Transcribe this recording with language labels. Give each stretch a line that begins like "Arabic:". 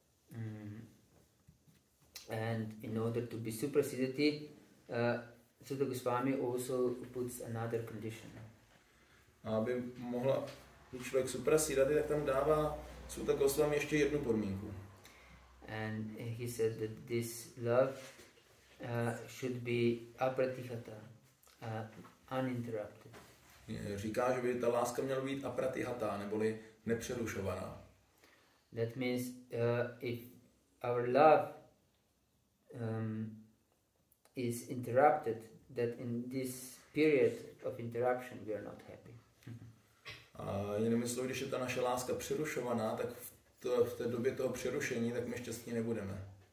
English: Mm. And in order to be superseded, Sutta Goswami also puts another condition.
Czech: Aby mohla být člověk superseded, tak tam dává Sutta Goswami ještě jednu podmínku.
English: And he said that this love should be apratihata, uninterrupted.
Czech: Říká, že by ta láska měla být apratihata, neboli nepřerušovaná.
English: That means if our love is interrupted, that in this period of interruption we are not happy.
Czech: A jinými slovy, když je ta naše láska přerušovaná, tak v té době toho přerušení, tak my šťastní nebudeme.